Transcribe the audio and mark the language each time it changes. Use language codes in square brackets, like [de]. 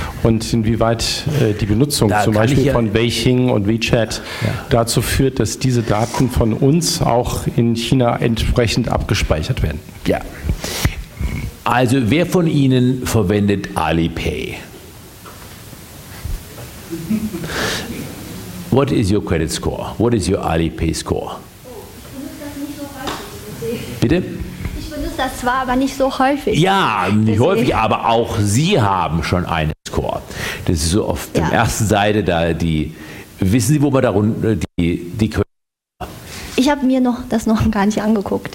[de] Und inwieweit die Benutzung zum Beispiel von Weixing und WeChat dazu führt, dass diese Daten von uns auch in China entsprechend abgespeichert werden? Ja. Also wer von Ihnen verwendet Alipay? [en] What is your credit score? What is your Alipay score? [de] Ich benutze das nicht so häufig. Bitte? Ich benutze das zwar, aber nicht so häufig. Ja, nicht deswegen. Häufig, aber auch Sie haben schon einen Score. Das ist so auf der ersten Seite da die. Wissen Sie, wo man darunter die Credit Score? Ich habe mir das noch gar nicht angeguckt.